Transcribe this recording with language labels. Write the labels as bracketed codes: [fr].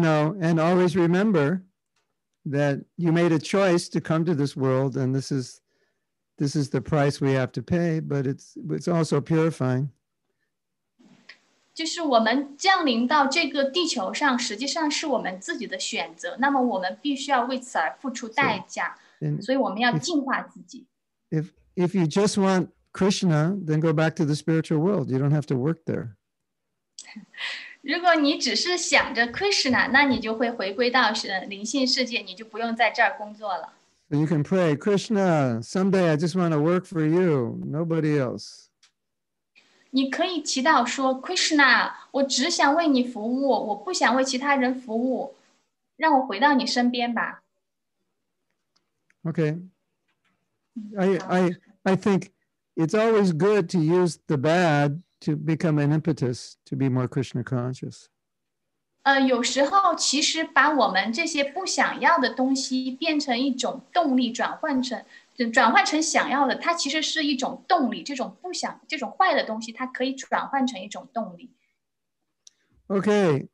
[en] know, and always remember that you made a choice to come to this world, and this is the price we have to pay, but it's also purifying. [zh] 就是我们降临到这个地球上，实际上是我们自己的选择。那么我们必须要为此而付出代价，所以我们要净化自己。 [en] If you just want Krishna, then go back to the spiritual world. You don't have to work there. [zh] 如果你只是想着 Krishna, 那你就会回归到灵性世界，你就不用在这儿工作了。 [en] You can pray, Krishna, someday I just want to work for you, nobody else. [zh] 你可以祈祷说, Krishna, 我只想为你服务，我不想为其他人服务，让我回到你身边吧。 [en] Okay. I think it's always good to use the bad to become an impetus to be more Krishna conscious. [zh] 有时候其实把我们这些不想要的东西变成一种动力，转换成。转换成想要的，它其实是一种动力。这种不想，这种坏的东西，它可以转换成一种动力。Okay,